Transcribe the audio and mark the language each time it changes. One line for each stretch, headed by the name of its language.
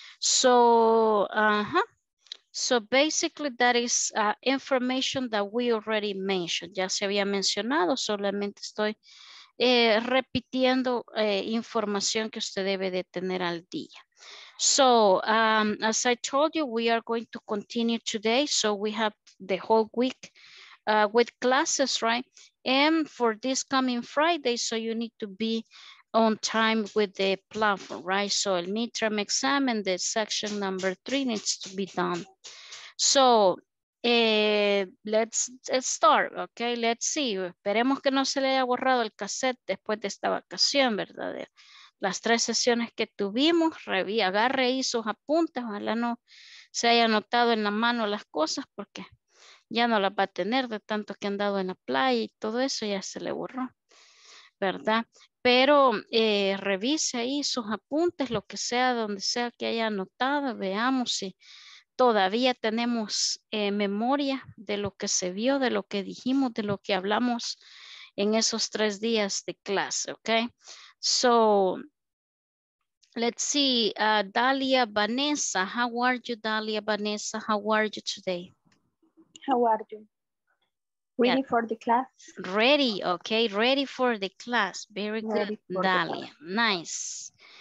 English: So, So basically that is information that we already mentioned.
Spanish: Ya se había mencionado, solamente estoy repitiendo información que usted debe de tener al día.
English: So, as I told you, we are going to continue today. So we have the whole week with classes, right? And for this coming Friday, so you need to be on time with the platform, right? So el midterm exam and the section number 3 needs to be done. So let's start, okay? Let's see.
Spanish: Esperemos que no se le haya borrado el cassette después de esta vacación, ¿verdad? Las 3 sesiones que tuvimos, agarre ahí sus apuntes, ojalá no se haya anotado en la mano las cosas porque ya no las va a tener de tanto que han dado en la playa y todo eso ya se le borró, ¿verdad? Pero revise ahí sus apuntes, lo que sea, donde sea que haya anotado, veamos si todavía tenemos memoria de lo que se vio, de lo que dijimos, de lo que hablamos en esos 3 días de clase, ¿ok?
English: So, let's see, Dalia Vanessa, how are you, Dalia Vanessa, how are you today? How are you? Ready for the class? Ready, okay, ready for the class. Very good, Dalia, nice.